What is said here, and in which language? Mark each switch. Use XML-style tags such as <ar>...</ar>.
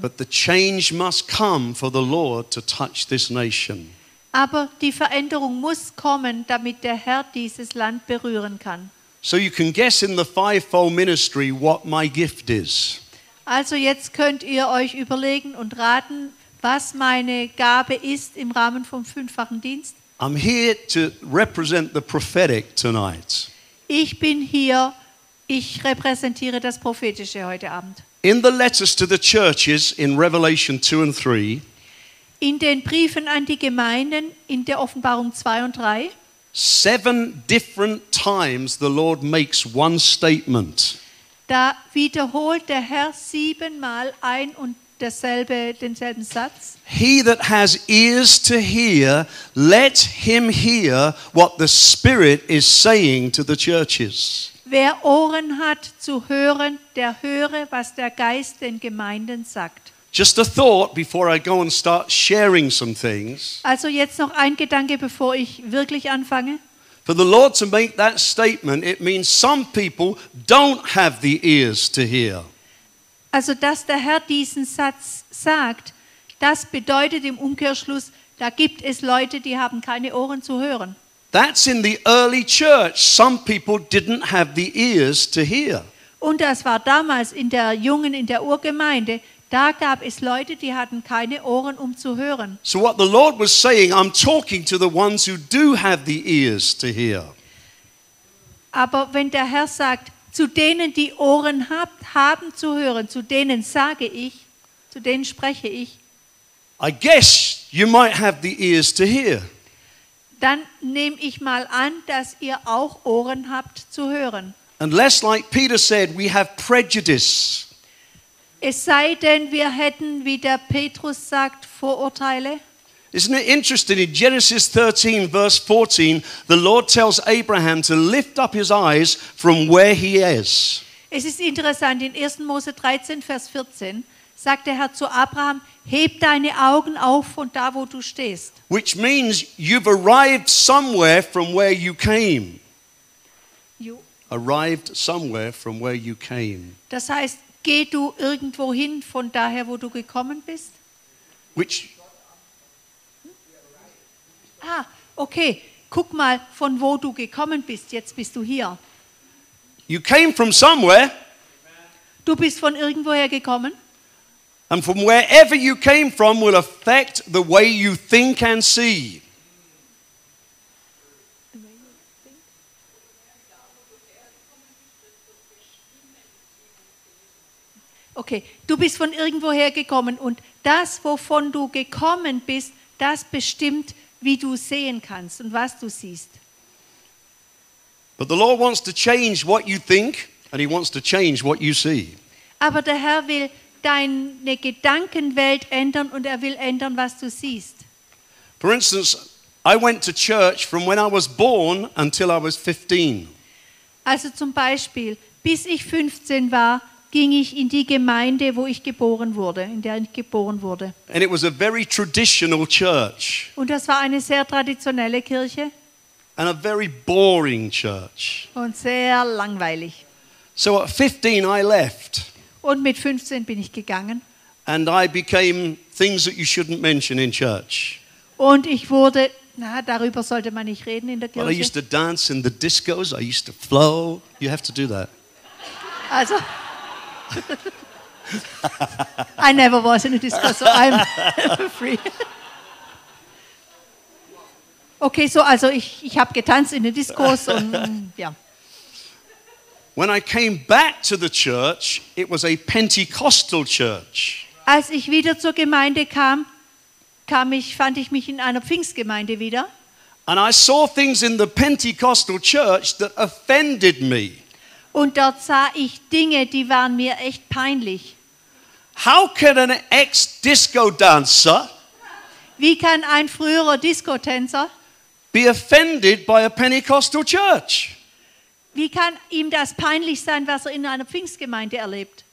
<en>But the change must come for the Lord to touch this nation.</en> <de>Aber die Veränderung muss kommen, damit der Herr dieses Land berühren kann.</de> <en>So you can guess in the fivefold ministry what my gift is.</en> <de>Also jetzt könnt ihr euch überlegen und raten, was meine Gabe ist im Rahmen vom fünffachen Dienst.</de> <en>I'm here to represent the prophetic tonight.</en> <de>Ich bin hier, ich repräsentiere das Prophetische heute Abend.</de> <en>In the letters to the churches in Revelation 2 and 3.</en> <de>In den Briefen an die Gemeinden in der Offenbarung 2 und 3.</de> <en>Seven different times the Lord makes one statement.</en> <de>Da wiederholt der Herr siebenmal ein und denselben Satz.</de> <en>He that has ears to hear, let him hear what the Spirit is saying to the churches.</en> <de>Wer Ohren hat zu hören, der höre, was der Geist den Gemeinden sagt.</de> <en>Just a thought before I go and start sharing some things.</en> <de>Also jetzt noch ein Gedanke, bevor ich wirklich anfange.</de> <en>For the Lord to make that statement, it means some people don't have the ears to hear.</en> <de>Also, dass der Herr diesen Satz sagt, das bedeutet im Umkehrschluss, da gibt es Leute, die haben keine Ohren zu hören.</de> <en>That's in the early church. Some people didn't have the ears to hear.</en> <de>Und das war damals in der jungen, in der Urgemeinde. Da gab es Leute, die hatten keine Ohren, um zu hören.</de> <en>So what the Lord was saying, I'm talking to the ones who do have the ears to hear.</en> <de>Aber wenn der Herr sagt, zu denen, die Ohren haben zu hören, zu denen sage ich, zu denen spreche ich.</de> <en>I guess you might have the ears to hear.</en> <de>Dann nehme ich mal an, dass ihr auch Ohren habt zu hören.</de> <en>Unless, like Peter said, we have prejudice.</en> <de>Es sei denn, wir hätten, wie der Petrus sagt, Vorurteile.</de> <en>Isn't it interesting? In Genesis 13, verse 14, the Lord tells Abraham to lift up his eyes from where he is.</en> <de>Es ist interessant, in 1. Mose 13, Vers 14, sagt der Herr zu Abraham, heb deine Augen auf von da, wo du stehst.</de> <en>Which means you've arrived somewhere from where you came. Arrived somewhere from where you came.</en> <de>Das heißt, geh du irgendwo hin von daher, wo du gekommen bist?</de> <en>Which?</en> <de>Ah, okay. Guck mal, von wo du gekommen bist. Jetzt bist du hier.</de> <en>You came from somewhere.</en> <de>Du bist von irgendwoher gekommen.</de> <en>And from wherever you came from will affect the way you think and see.</en> <de>Okay, du bist von irgendwoher gekommen und das, wovon du gekommen bist, das bestimmt, wie du sehen kannst und was du siehst.</de> <en>But the Lord wants to change what you think and he wants to change what you see.</en> <de>Aber der Herr will deine Gedankenwelt ändern und er will ändern, was du siehst.</de> <en>For instance, I went to church from when I was born until I was 15.</en> <de>Also zum Beispiel, bis ich 15 war, ging ich in die Gemeinde, wo ich geboren wurde, in der ich geboren wurde.</de> <en>And it was a very traditional church.</en> <de>Und das war eine sehr traditionelle Kirche.</de> <en>And a very boring church.</en> <de>Und sehr langweilig.</de> <en>So at 15 I left.</en> <de>Und mit 15 bin ich gegangen.</de> <en>And I became things that you shouldn't mention in church.</en> <de>Und ich wurde, na, darüber sollte man nicht reden in der Kirche.</de> <en>But I used to dance in the discos, I used to flow. You have to do that. Also, I never was in a disco, so I'm free.</en> <de>Okay, so also ich habe getanzt in den Discos und ja.</de> <en>When I came back to the church, it was a Pentecostal church.</en> <de>Als ich wieder zur Gemeinde kam, fand ich mich in einer Pfingstgemeinde wieder.</de> <en>And I saw things in the Pentecostal church that offended me.</en> <de>Und dort sah ich Dinge, die waren mir echt peinlich.</de> <en>How can an ex-disco dancer,</en> <de>wie kann ein früherer Disco-Tänzer,</de> <en>be offended by a Pentecostal church?</en> <de>Wie kann ihm das peinlich sein, was er in einer Pfingstgemeinde erlebt?</de>